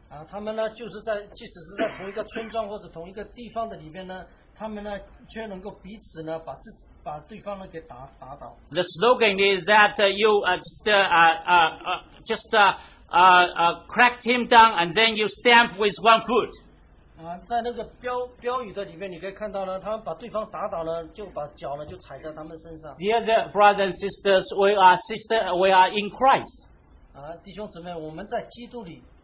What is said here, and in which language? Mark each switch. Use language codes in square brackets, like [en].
[zh] 他们呢就是在即使是在同一个村庄或者同一个地方的里面呢，他们呢却能够彼此呢把自己。把对方呢给打倒。 [en] The slogan is that crack him down and then you stamp with one foot. [zh] 在那个标语的里面，你可以看到呢，他们把对方打倒呢，就把脚呢就踩在他们身上。 [en] Dear the brothers and sisters, we are sister, we are in Christ. [zh] 弟兄姊妹，我们在基督里。